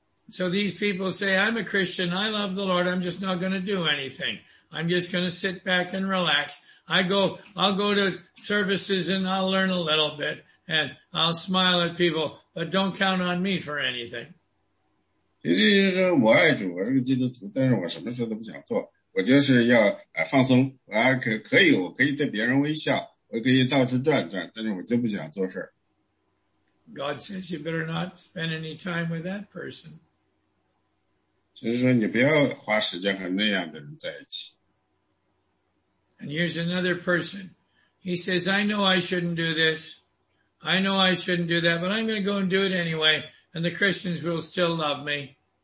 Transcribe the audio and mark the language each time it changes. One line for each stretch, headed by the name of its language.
English: So these people say, I'm a Christian, I love the Lord, I'm just not going to do anything. I'm just going to sit back and relax. I'll go to services and I'll learn a little bit and I'll smile at people, but don't count on me for anything.
Chinese: 其实就是我爱主,我是个基督徒,但是我什么事都不想做,我就是要放松,我可以对别人微笑,我可以到处转转,但是我就不想做事。
English: God says you better not spend any time with that person.
Chinese: 就是说你不要花时间和那样的人在一起。
English: And here's another person. He says, I know I shouldn't do this. I know I shouldn't do that, but I'm going to go and do it anyway, and the Christians will still love me.